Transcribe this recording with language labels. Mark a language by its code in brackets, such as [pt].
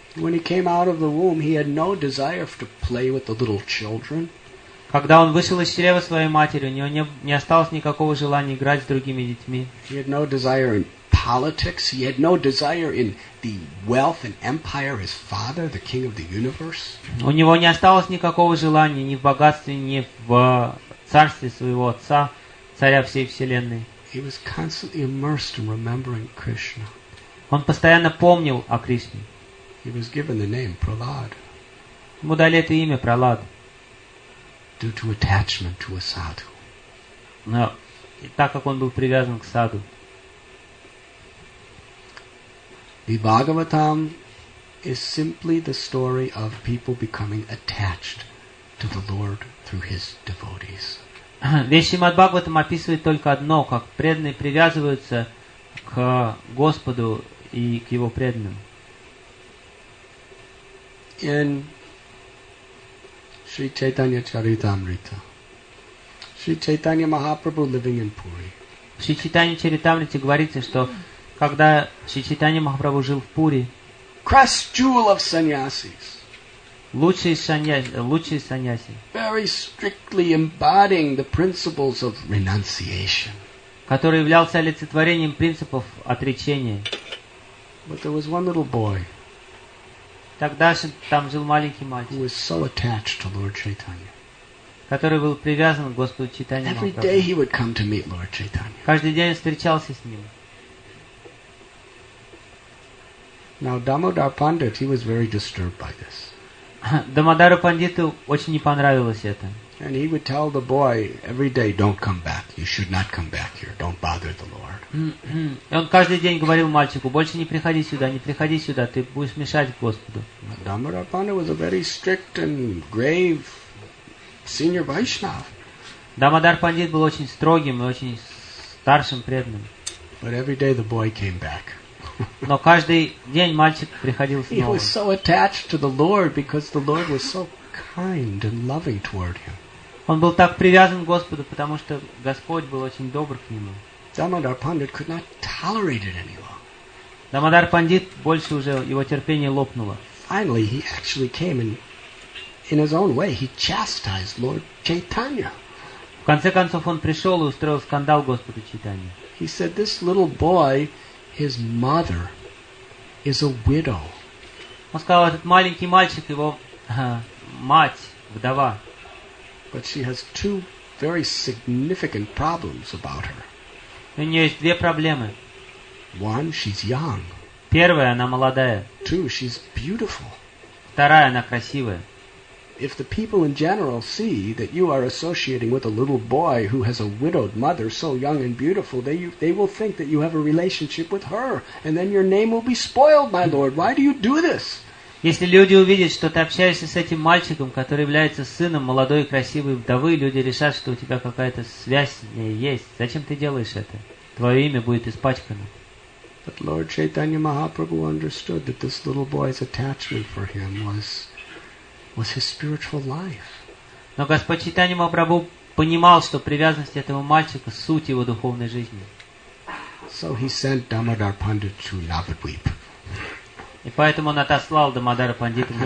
[en] When he came out of the womb, he had no desire to play with the little children. [ru] Когда он вышел из чрева своей матери, у него не осталось никакого желания играть с другими детьми. [en] He had no desire in politics. He had no desire in the wealth and empire his father, the king of the universe. [ru] У него не осталось никакого желания ни в богатстве, ни в царстве своего отца, царя всей вселенной. [en] He was constantly immersed in remembering Krishna. [ru] Он постоянно помнил о Кришне. [en] He was given the name Prahlad. [ru] Ему дали это имя Прохлад. [en] Due to attachment to a sadhu. [ru] Но так как он был привязан к саду. [en] The Bhagavatam is simply the story of people becoming attached to the Lord through his devotees. [ru] Вещимат Бхагаватам описывает только одно, как преданные привязываются к Господу и к его преданным. [en] In Sri Chaitanya Charitamrita. Sri Chaitanya Mahaprabhu living in Puri. [ru] В Sri Chaitanya Charitamrita говорится, что когда Sri Chaitanya Mahaprabhu жил в Пури, [en] crest jewel of sannyasis. [ru] Лучший саньяси. [en] Very strictly embodying the principles of renunciation. [ru] Который являлся олицетворением принципов отречения. [en] But there was one little boy. [ru] Тогда же там жил маленький мальчик, [en] who was so attached to Lord Chaitanya. [ru] Который был привязан к Господу Чайтанья Махапрабху. [en] Every day he would come to meet Lord Chaitanya. [ru] Каждый день встречался с ним. [en] Now Damodar Pandit, he was very disturbed by this. [ru] Дамодару Пандиту очень не понравилось это. [en] And he would tell the boy every day, "Don't come back. You should not come back here. Don't bother the Lord." [ru] И он каждый день говорил мальчику: "Больше не приходи сюда, не приходи сюда. Ты будешь мешать Господу." [en] Дамодар Панда was a very strict and grave senior Vaishnav. [ru] Дамодар Пандит был очень строгим и очень старшим преданным. [en] But every day the boy came back. [ru] Но каждый день мальчик приходил снова. [en] He was so attached to the Lord because the Lord was so kind and loving toward him. [ru] Он был так привязан к Господу, потому что Господь был очень добр к нему. [en] Дамодар Пандит could not tolerate it any longer. [ru] Дамодар Пандит больше уже его терпение лопнуло. [en] Finally, he actually came and, in his own way, he chastised Lord Chaitanya. [ru] В конце концов он пришел и устроил скандал Господу Чайтанье. [en] He said, "This little boy, his mother, is a widow." [ru] Он сказал, этот маленький мальчик, его мать вдова. [en] But she has two very significant problems about her. [ru] У нее есть две проблемы. [en] One, she's young. [ru] Первая, она молодая. [en] Two, she's beautiful. [ru] Вторая, она красивая. [en] If the people in general see that you are associating with a little boy who has a widowed mother, so young and beautiful, they will think that you have a relationship with her, and then your name will be spoiled, my lord. Why do you do this? [ru] Если люди увидят, что ты общаешься с этим мальчиком, который является сыном молодой и красивой вдовы, люди решат, что у тебя какая-то связь с ней есть. Зачем ты делаешь это? Твое имя будет испачкано. [en] But Lord Chaitanya Mahaprabhu understood that this little boy's attachment for him was his spiritual life. [ru] Но Господь Чайтанья Махапрабху понимал, что привязанность этого мальчика – суть его духовной жизни. [en] So he sent Damodar Pandit to Navadvip. [ru] И поэтому он отослал Дамодара Пандита на